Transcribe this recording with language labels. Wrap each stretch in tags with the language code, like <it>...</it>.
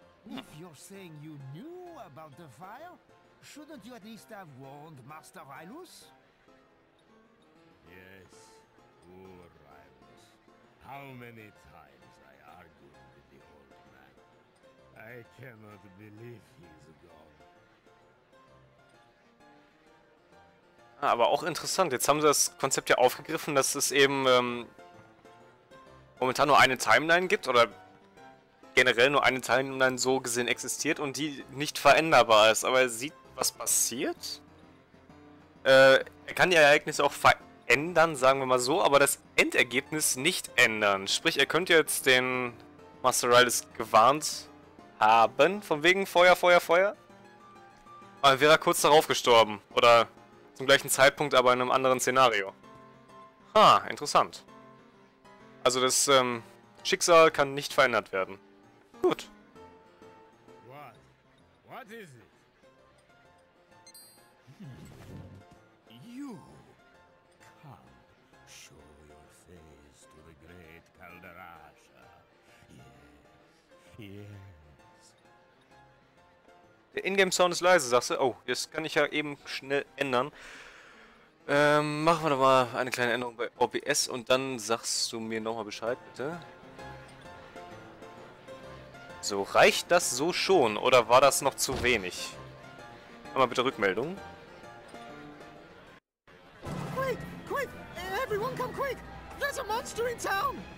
<en>If you're saying you knew about the fire, shouldn't you at least have warned Master Rylus? Yes, poor Rylus. How many times I argued with the old man. I cannot believe he's gone.</en> <de>Ah, aber auch interessant, jetzt haben sie das Konzept ja aufgegriffen, dass es eben momentan nur eine Timeline gibt, oder generell nur eine Timeline so gesehen existiert und die nicht veränderbar ist. Aber er sieht, was passiert. Er kann die Ereignisse auch verändern. ändern, sagen wir mal so, aber das Endergebnis nicht ändern. Sprich, ihr könnt jetzt den Master Riles gewarnt haben, von wegen Feuer, Feuer, Feuer. Aber wäre er kurz darauf gestorben. Oder zum gleichen Zeitpunkt, aber in einem anderen Szenario. Ha, interessant. Also das Schicksal kann nicht verändert werden. Gut.</de> <en>What? What is it? You. Come. Show your face to the great Kaldarasha. Yes. Yes.</en> <de>Der Ingame-Sound ist leise, sagst du? Oh, das kann ich ja eben schnell ändern. Machen wir doch mal eine kleine Änderung bei OBS und dann sagst du mir nochmal Bescheid, bitte. So, reicht das so schon oder war das noch zu wenig? Mal bitte Rückmeldung.</de> <en>Quick, quick, everyone come quick, there's a monster in town.</en>